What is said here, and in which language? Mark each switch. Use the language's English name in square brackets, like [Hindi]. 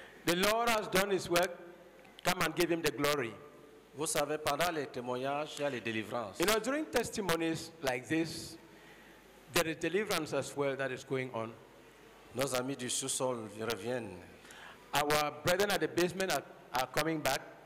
[English] The Lord has done his work, come and give him the glory. [French] Vous savez, pendant les témoignages, il y a les délivrances. [English] You know, during testimonies like this, there is deliverance as well that is going on. [French] Nos amis du sous-sol reviennent. [English] Our brethren at the basement are coming back.